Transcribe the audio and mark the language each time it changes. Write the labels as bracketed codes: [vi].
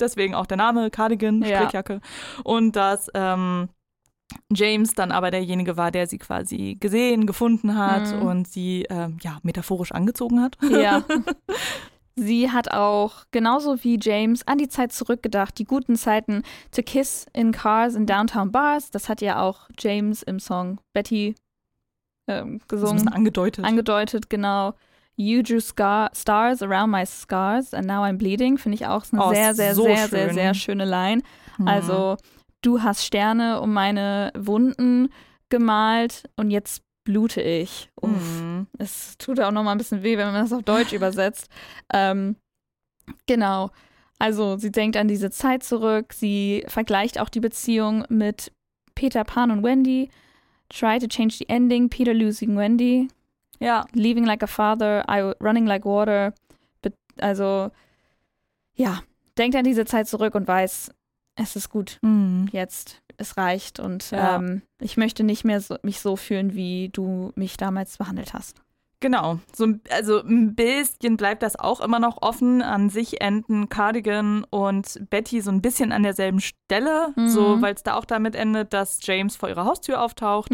[de] Deswegen auch der Name Cardigan, Strickjacke. Und dass James dann aber derjenige war, der sie quasi gesehen, gefunden hat und sie metaphorisch angezogen hat. Ja. Sie hat auch genauso wie James an die Zeit zurückgedacht, die guten Zeiten, [en] to kiss in cars in downtown bars. [de] Das hat ja auch James im Song Betty gesungen. Das ist angedeutet. Angedeutet, genau. [en] You drew stars around my scars and now I'm bleeding. [de] Finde ich auch eine sehr schöne Line. Also, du hast Sterne um meine Wunden gemalt und jetzt blute ich. Uff. Es tut auch nochmal ein bisschen weh, wenn man das auf Deutsch übersetzt. Genau. Also, sie denkt an diese Zeit zurück. Sie vergleicht auch die Beziehung mit Peter Pan und Wendy. [en] Try to change the ending, Peter losing Wendy. [de] Ja. [en] Leaving like a father, I running like water. [de] Also, ja, denkt an diese Zeit zurück und weiß, es ist gut. Jetzt, es reicht. Und ich möchte nicht mehr mich so fühlen, wie du mich damals behandelt hast. Genau. Also ein bisschen bleibt das auch immer noch offen. An sich enden Cardigan und Betty so ein bisschen an derselben Stelle, so weil es da auch damit endet, dass James vor ihrer Haustür auftaucht.